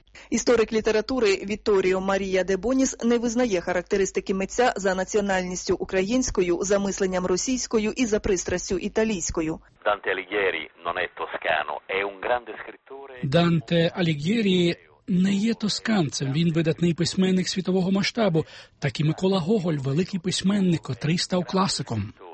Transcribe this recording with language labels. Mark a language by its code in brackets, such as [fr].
[uk] Історик літератури Вітторіо Марія де Боніс не визнає характеристики митця за національністю українською, за мисленням російською і за пристрастю італійською. [it] Данте Алігєрі non è toscano, è un grande scrittore. [uk] Данте Алігєрі не є тосканцем, він видатний письменник світового масштабу, так і Микола Гоголь, великий письменник, котрий став класиком.